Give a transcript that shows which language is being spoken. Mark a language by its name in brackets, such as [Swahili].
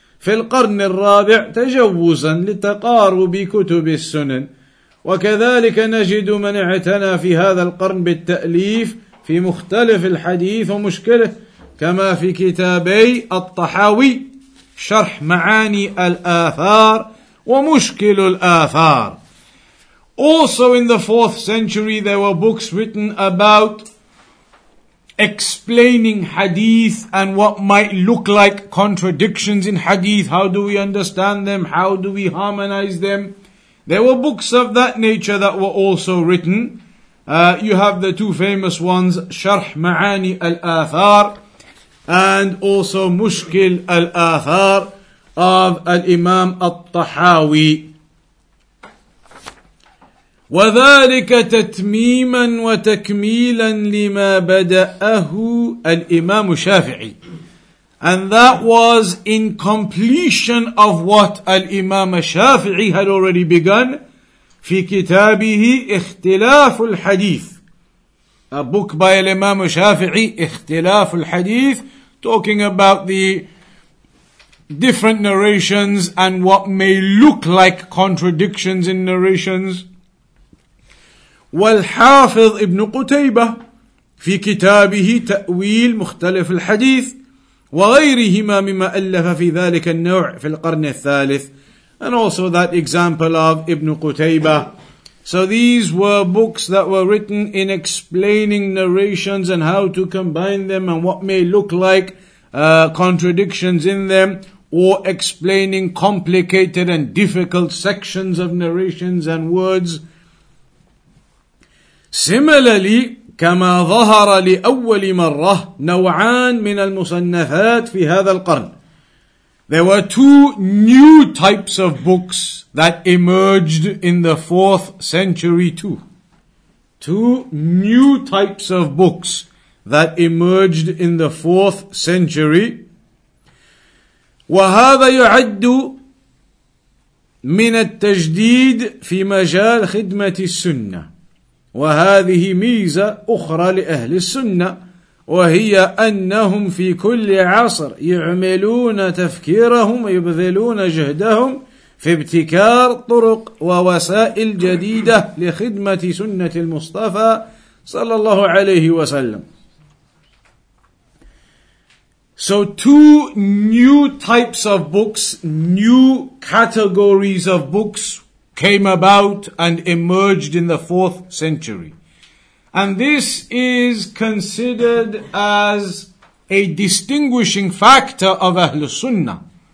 [Arabic] في القرن الرابع تجوزا لتقارب كتب السنن وكذلك نجد من اعتنى في هذا القرن بالتأليف في مختلف الحديث ومشكله كما في كتابي الطحاوي شرح معاني الآثار ومشكل الآثار. [English] Also in the 4th century there were books written about explaining hadith and what might look like contradictions in hadith. How do we understand them? How do we harmonize them? There were books of that nature that were also written. You have the two famous ones, Sharh Ma'ani Al-Athar and also Mushkil Al-Athar of Al-Imam Al-Tahawi. [Arabic] وذلك تتميما وتكميلا لما بدأه الإمام الشافعي. [English] And that was in completion of what الإمام الشافعي had already begun [Arabic] في كتابه اختلاف الحديث. [English] A book by الإمام الشافعي اختلاف الحديث, talking about the different narrations and what may look like contradictions in narrations. [Arabic] والحافظ ابن قتيبة في كتابه تأويل مختلف الحديث وغيرهما مما ألف في ذلك النوع في القرن الثالث. [English] And also that example of ابن قتيبة. So these were books that were written in explaining narrations and how to combine them and what may look like contradictions in them, or explaining complicated and difficult sections of narrations and words. Similarly, [Arabic] كما ظهر لأول مرة نوعان من المصنفات في هذا القرن. [English] There were two new types of books that emerged in the 4th century too. Two new types of books that emerged in the 4th century. [Arabic] وهذا يعد من التجديد في مجال خدمة السنة. وهذه ميزة أخرى لأهل السنة وهي أنهم في كل عصر يعملون تفكيرهم ويبذلون جهدهم في ابتكار طرق ووسائل جديدة لخدمة سنة المصطفى صلى الله عليه وسلم. [English] So two new types of books, new categories of books came about and emerged in the 4th century. And this is considered as a distinguishing factor of Ahlus Sunnah.